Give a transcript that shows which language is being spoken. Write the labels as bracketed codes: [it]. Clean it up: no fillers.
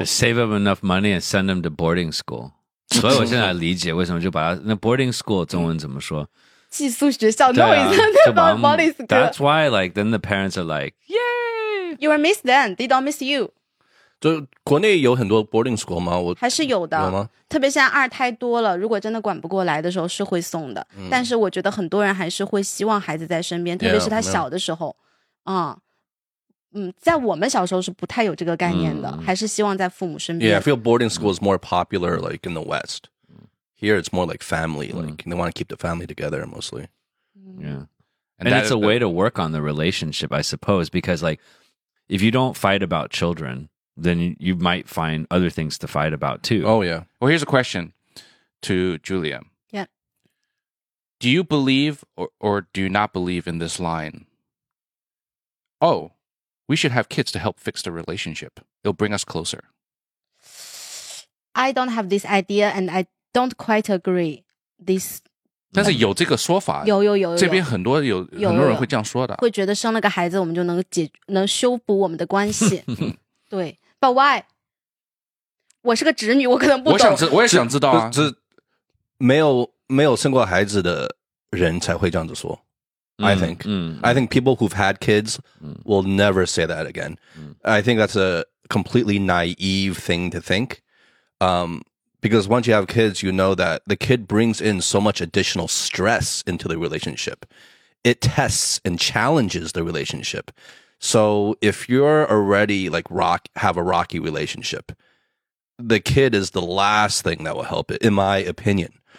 [en] just save up enough money and send them to boarding school. [zh] 所以我现在理解为什么就把他那 boarding school 中文怎么说，寄宿学校弄一下那帮 Molly's 歌。 [en] That's why, like, then the parents are like, yay! You are missed then, they don't miss you. [zh] 就国内有很多 boarding school 吗？我还是有的，有吗？特别现在二胎多了，如果真的管不过来的时候是会送的。但是我觉得很多人还是会希望孩子在身边，特别是他小的时候。在我们小时候是不太有这个概念的，还是希望在父母身边。 [en] Yeah, I feel boarding school is more popular, like, in the West. Here, it's more like family, like, they want to keep the family together, mostly. Yeah. And it's a way to work on the relationship, I suppose, because, like, if you don't fight about children, then you might find other things to fight about, too. Oh, yeah. Well, here's a question to Julia. Yeah. Do you believe or do you not believe in this line? Oh. We should have kids to help fix the relationship. It'll bring us closer. I don't have this idea, and I don't quite agree. This, [zh] 但是有这个说法，有这边很多有很多人会这样说的，会觉得生了个孩子，我们就能修补我们的关系。对 [en] ，But why? [zh] 我是个侄女，我可能不懂。我也想知道啊。这没有生过孩子的人才会这样子说。 [en] I think. I think people who've had kids will never say that again. I think that's a completely naive thing to think. Because once you have kids, you know that the kid brings in so much additional stress into the relationship. It tests and challenges the relationship. So if you're already like have a rocky relationship, the kid is the last thing that will help it, in my opinion.